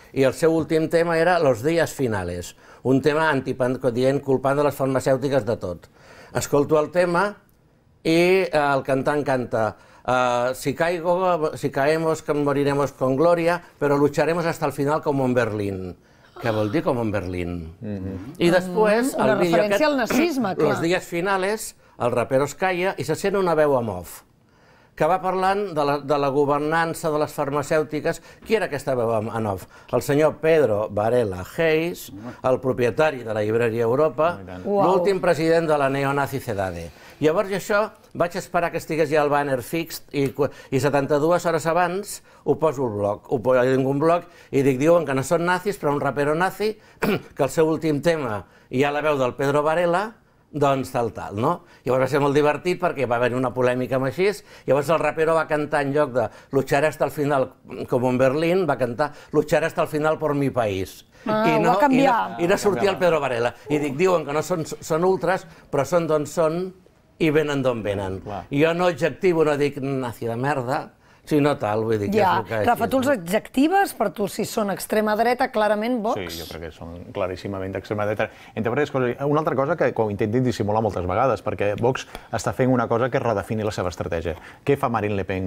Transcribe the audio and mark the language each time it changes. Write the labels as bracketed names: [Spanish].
[Catalan] I el seu últim tema era Los días finales. Un tema dient culpant de les farmacèutiques de tot. Escolto el tema i el cantant canta [Spanish] Si caemos que moriremos con gloria, pero lucharemos hasta el final como en Berlín. [Catalan] Què vol dir com en Berlín? I després... Una referència al nazisme, clar. Los días finales... El rapero es calla i se sent una veu en off, que va parlant de la governança de les farmacèutiques. Qui era aquesta veu en off? El senyor Pedro Varela Hayes, el propietari de la llibreria Europa, l'últim president de la neonazi CEDADE. Llavors, això, vaig esperar que estigués ja el banner fixt i 72 hores abans ho poso al blog. Ho poso en un blog i dic, diuen que no són nazis, però un rapero nazi, que el seu últim tema hi ha la veu del Pedro Varela, doncs tal, tal, no? Llavors va ser molt divertit perquè va haver-hi una polèmica amb així. Llavors el rapero va cantar en lloc de [Spanish] Lucharé hasta el final, [Catalan] com en Berlín, va cantar [Spanish] Lucharé hasta el final por mi país. [Catalan] Ah, ho va canviar. I no sortia el Pedro Varela. I dic, diuen que no són ultres, però són d'on són i venen d'on venen. Jo no objectivo, no dic nazi de merda, Sí, no tal, vull dir que ja, és el que és. Rafa, tu els adjectives per tu si són extrema dreta, clarament Vox? Sí, jo crec que són claríssimament d'extrema dreta. Entre altres coses, una altra cosa que ho intenti dissimular moltes vegades, perquè Vox està fent una cosa que redefini la seva estratègia. Què fa Marine Le Pen?